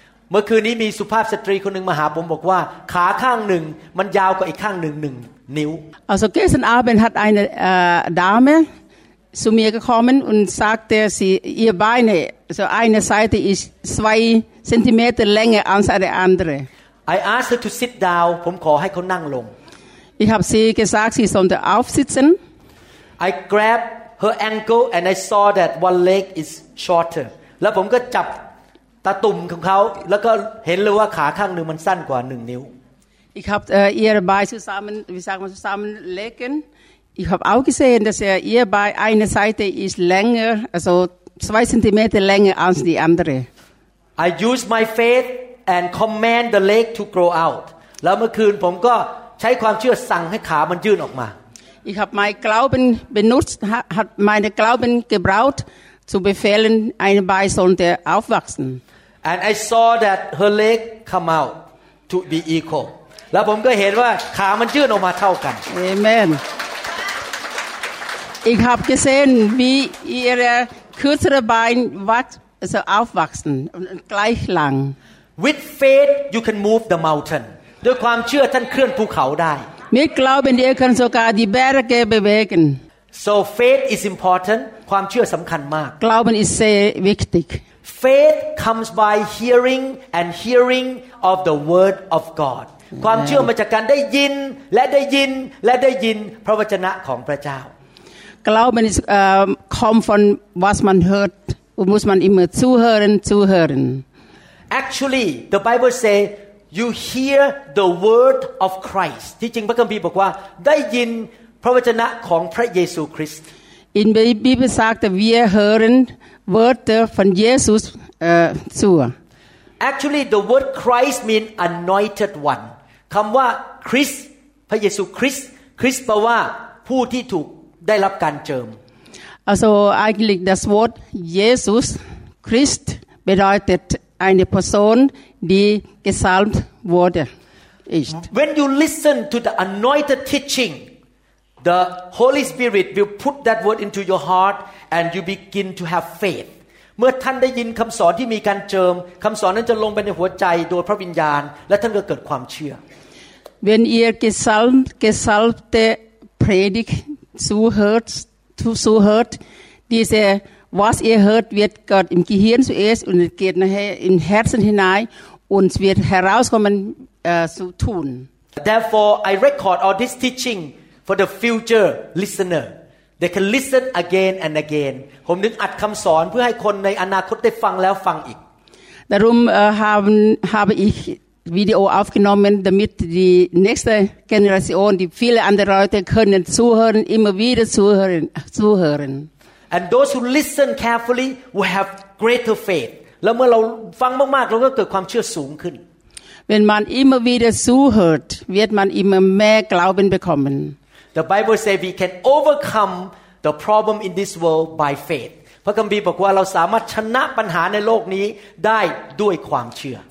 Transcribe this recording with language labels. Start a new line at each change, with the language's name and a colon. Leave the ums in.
Thai: เมื่อคืนนี้มีสุภาพสตรีคนหนึ่งมาหาผมบอกว่าขาข้างหนึ่งมันยาวกว่าอีกข้างหนึ่งหนึ่งนิ้ว
German: Also gestern Abend hat eine äh, Dame zu mir gekommen und sagte, sie, ihr Beine, so eine Seite ist zwei Zentimeter länger als eine andere.
English: I asked her to sit down
Thai: ผมขอให้เขานั่งลง
German: Ich habe sie gesagt, sie sollte aufsitzen.
English: I grabbed her ankle and I saw that one leg is shorter
Thai: แล้วผมก็จับตาตุ่มของเขาแล้วก็เห็นเลยว่าขาข้างหนึ่งมันสั้นกว่าหนึ่งนิ้ว
German: Ich habe äh, ihr Bein zusammen, wie sagen wir, zusammenlegen. Ich habe auch gesehen, dass äh, ihr Bein eine Seite ist länger, also zwei Zentimeter länger als die andere.
English: I use my faith and command the leg to grow out
Thai: แล้วเมื่อคืนผมก็ใช้ความเชื่อสั่งให้ขามันยื่นออกมา
German: Ich habe mein Glauben benutzt, ha- hat meine Glauben gebraucht, zu befehlen, ein Bein sollte aufwachsen.
English: and I saw that her leg come out to be equal
Thai: แล้วผมก็เห็นว่าขามันยื่นออกมาเท่ากัน
English: Amen.
German: Ich habe gesehen, wie ihre kürzere Bein wach- also aufwachsen und und gleich lang.
English: with faith you can move the mountain
Thai: ด้วยความเชื่อท่านเคลื่อนภูเขาได้
German: Mit Glauben, ihr könnt sogar die Berge bewegen.
English: so faith is important
Thai: ความเชื่อสำคัญมาก
German: Glauben ist sehr wichtig.
English: faith comes by hearing and hearing of the word of God
Thai: ความเชื่อมาจากการได้ยินและได้ยินและได้ยินพระวจนะของพระเจ้า
German: Glauben ist, ähm, kommt von was man hört und muss man immer zuhören, zuhören.
English: actually the Bible say you hear the word of Christ
Thai: ที่จริงพระคัมภีร์บอกว่าได้ยินพระวจนะของพระเยซูคริสต์
German: Im In der Bibel sagt, er, wir hören Wörter von Jesus äh, zu.
English: Actually, the word Christ means anointed one.
Thai: คำว่าคริสต์พระเยซูคริสต์คริสต์แปลว่าผู้ที่ถูกได้รับการเจิม
German: Also eigentlich das Wort Jesus Christ bedeutet eine Person, die gesalbt wurde. Ist.
English: When you listen to the anointed teaching, the Holy Spirit will put that word into your heart and you begin to have faith.
Thai: เมื่อท่านได้ยินคำสอนที่มีการเจิมคำสอนนั้นจะลงไปในหัวใจโดยพระวิญญาณ และท่านก็เกิดความเชื่อ
German: Wenn ihr gesalbt, gesalbte Predigt zuhört, zu- zuhört, diese, was ihr hört, wird Gott im Gehirn zuerst und es geht nachher im Herzen hinein und es wird herauskommen äh, zu tun.
English: Therefore, I record all this teaching for the future listener. They can listen again and again.
Thai: ผมนึกอัดคำสอนเพื่อให้คนในอนาคตได้ฟังแล้วฟังอีก
German: Darum äh, haben, habe ich Video aufgenommen, damit die nächste Generation, die viele andere Leute können zuhören, immer wieder zuhören. zuhören.
English: and those who listen carefully will have greater faith
Thai: แล้วเมื่อเราฟังมากๆ เราก็เกิดความเชื่อสูงขึ้น
German: Wenn man immer wieder zuhört, wird man immer mehr Glauben bekommen.
English: The Bible says we can overcome the problem in this world by faith
Thai: พระคัมภีร์บอกว่าเราสามารถชนะปัญหาในโลกนี้ได้ด้วยความเชื่อ